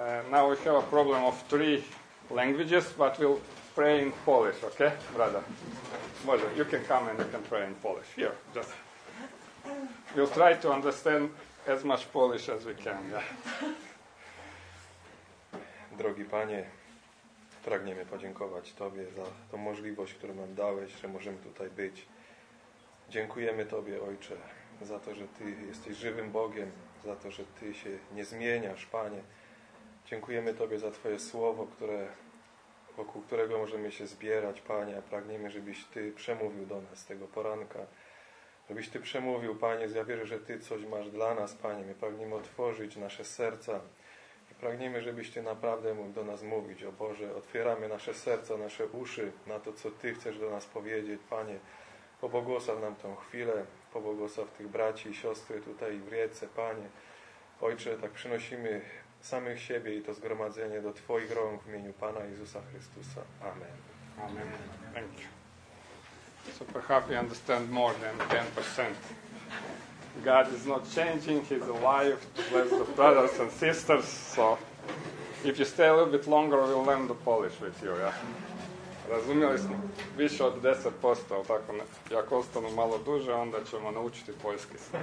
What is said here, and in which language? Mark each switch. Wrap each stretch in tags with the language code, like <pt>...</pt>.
<en>Now we have a problem of three languages, but we'll pray in Polish, okay, brother?</en> <hr>Može,</hr> <en>you can come and you can pray in Polish. Here, just. We'll try to understand as much Polish as we can, yeah.</en> <pl>Drogi panie, pragniemy podziękować Tobie za tą możliwość, którą nam dałeś, że możemy tutaj być. Dziękujemy Tobie, Ojcze, za to, że Ty jesteś żywym Bogiem, za to, że Ty się nie zmieniasz, Panie. Dziękujemy Tobie za Twoje słowo, wokół którego możemy się zbierać, Panie, a pragniemy, żebyś Ty przemówił do nas tego poranka. Żebyś Ty przemówił, Panie, ja wierzę, że Ty coś masz dla nas, Panie. My pragniemy otworzyć nasze serca. Pragniemy, żebyś Ty naprawdę mógł do nas mówić. O Boże, otwieramy nasze serca, nasze uszy na to, co Ty chcesz do nas powiedzieć. Panie, pobłogosław nam tę chwilę. Pobłogosław tych braci i siostry tutaj w Rijece, Panie. Ojcze, tak przynosimy samych siebie i to zgromadzenie do Twoich rąk w imieniu Pana Jezusa Chrystusa. Amen.</pl> <en>Amen. Thank you. So perhaps you understand more than 10%. God is not changing, He's alive to bless the brothers and sisters, so if you stay a little bit longer, we'll learn the Polish with you, yeah?</en> <hr>Razumjeli smo, više od 10%, tako ne, jako ostanu malo duže, onda ćemo naučiti poljski.</hr>